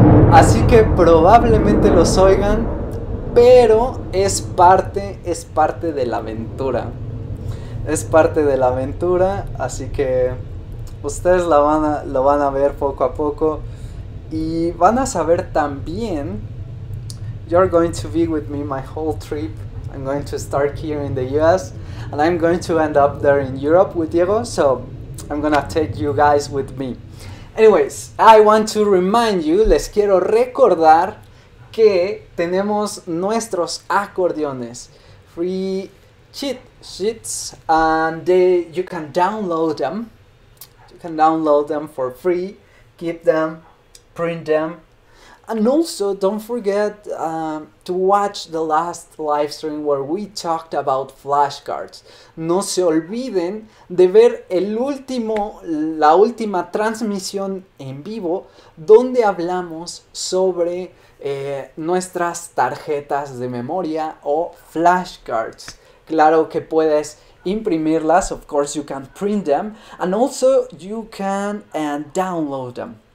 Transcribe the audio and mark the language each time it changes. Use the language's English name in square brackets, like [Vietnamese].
[Spanish] Así que probablemente los oigan, pero es parte de la aventura. Es parte de la aventura, así que ustedes lo van a ver poco a poco y van a saber también. [English] You're going to be with me my whole trip. I'm going to start here in the US and I'm going to end up there in Europe with Diego. So I'm gonna take you guys with me. Anyways, I want to remind you, [Spanish] les quiero recordar que tenemos nuestros acordeones. [English] Free cheat sheets and you can download them. Can download them for free, keep them, print them, and also don't forget to watch the last live stream where we talked about flashcards. [Spanish] No se olviden de ver la última transmisión en vivo donde hablamos sobre nuestras tarjetas de memoria o flashcards. Claro que puedes imprimirlas, [English] of course you can print them, and also you can and download them.